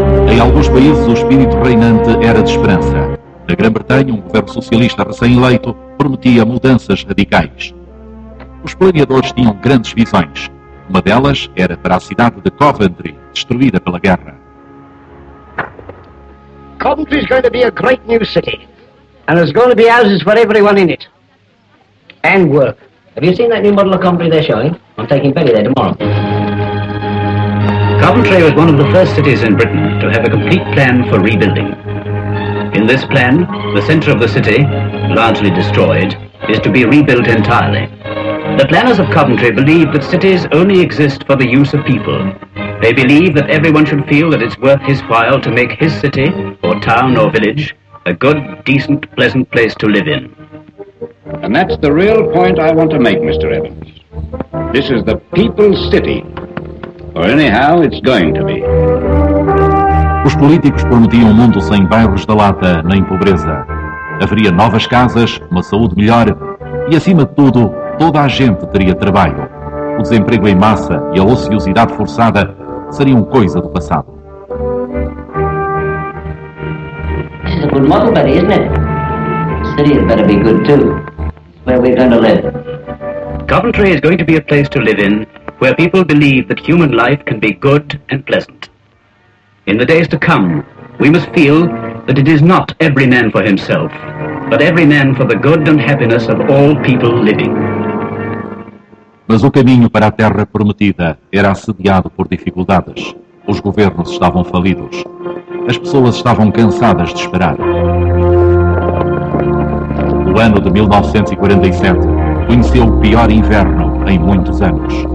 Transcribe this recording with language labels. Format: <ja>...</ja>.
<pt>Em alguns países, o espírito reinante era de esperança. Na Grã-Bretanha, um governo socialista recém-eleito prometia mudanças radicais. Os planeadores tinham grandes visões. Uma delas era para a cidade de Coventry, destruída pela guerra.</pt> <en>Coventry is going to be a great new city. And there's going to be houses for everyone in it. And work. Have you seen that new model of Coventry they're showing? I'm taking Benny there tomorrow. Coventry was one of the first cities in Britain to have a complete plan for rebuilding. In this plan, the center of the city, largely destroyed, is to be rebuilt entirely. The planners of Coventry believe that cities only exist for the use of people. They believe that everyone should feel that it's worth his while to make his city, or town, or village, a good, decent, pleasant place to live in. And that's the real point I want to make, Mr. Evans. This is the people's city. Or anyhow, it's going to be.</en> <pt>Os políticos prometiam um mundo sem bairros da lata nem pobreza. Haveria novas casas, uma saúde melhor e, acima de tudo, toda a gente teria trabalho. O desemprego em massa e a ociosidade forçada seriam coisa do passado.</pt> <en>This is a good model, buddy, isn't it? City better be good too. Where we're going to live. Coventry is going to be a place to live in where people believe that human life can be good and pleasant. In the days to come, we must feel that it is not every man for himself, but every man for the good and happiness of all people living.</en> <pt>Mas o caminho para a terra prometida era assediado por dificuldades. Os governos estavam falidos. As pessoas estavam cansadas de esperar. O ano de 1947 conheceu o pior inverno em muitos anos.</pt>